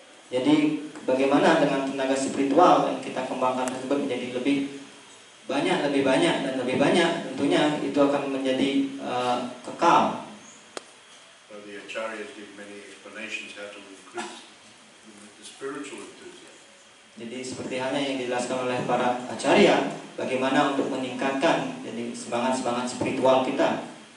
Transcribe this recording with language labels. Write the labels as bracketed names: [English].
[Indonesian] Jadi bagaimana dengan tenaga spiritual yang kita kembangkan tersebut menjadi lebih banyak, tentunya itu akan menjadi kekal. [English] So the acharyas give many explanations how to increase the spiritual enthusiasm. [Indonesian] Jadi seperti halnya yang dijelaskan oleh para acharya, bagaimana untuk meningkatkan jadi semangat-semangat spiritual kita.